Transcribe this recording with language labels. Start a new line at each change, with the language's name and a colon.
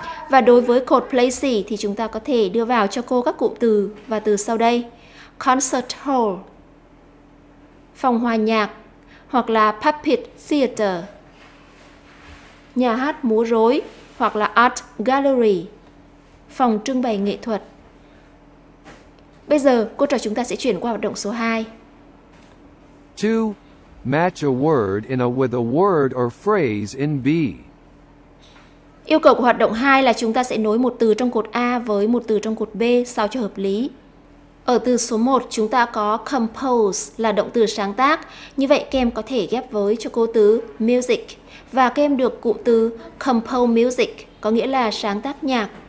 Vietnamese: Và đối với cột place thì chúng ta có thể đưa vào cho cô các cụm từ và từ sau đây: concert hall, phòng hòa nhạc, hoặc là puppet theater, nhà hát múa rối, hoặc là art gallery, phòng trưng bày nghệ thuật. Bây giờ, cô trò chúng ta sẽ chuyển qua hoạt động số 2.
English: 2. Match a word in a with a word or phrase in B.
Vietnamese: Yêu cầu của hoạt động 2 là chúng ta sẽ nối một từ trong cột A với một từ trong cột B sao cho hợp lý. Ở từ số 1, chúng ta có compose là động từ sáng tác. Như vậy, các em có thể ghép với cho cô từ music. Và các em được cụm từ compose music, có nghĩa là sáng tác nhạc.